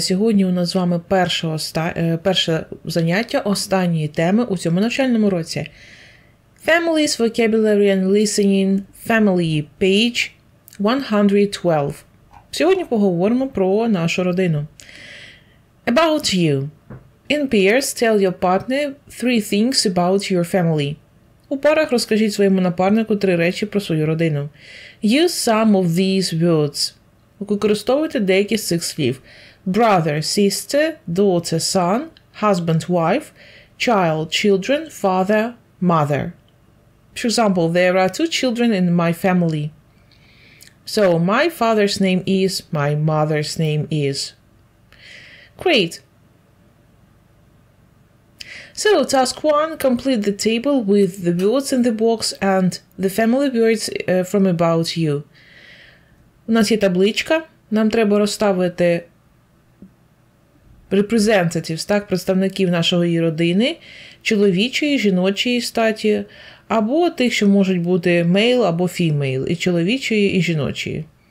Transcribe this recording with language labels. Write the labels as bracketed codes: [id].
[uk] Сьогодні у нас з вами перше заняття останньої теми у цьому навчальному році. [en] Families, vocabulary and listening, family, page 112. [uk] Сьогодні поговоримо про нашу родину. [en] About you. In pairs, tell your partner three things about your family. [uk] У парах розкажіть своєму напарнику три речі про свою родину. [en] Use some of these words. [uk] Використовуйте деякі з цих слів. [en] Brother – sister, daughter – son, husband – wife, child – children, father – mother. For example, there are two children in my family. So, my father's name is, my mother's name is. Great! So, task 1, complete the table with the words in the box and the family words from about you. [uk] У нас є табличка, нам треба розставити representatives, так, представників нашої родини, чоловічої, жіночої статі, або тих, що можуть бути male або female, і чоловічої, і жіночої.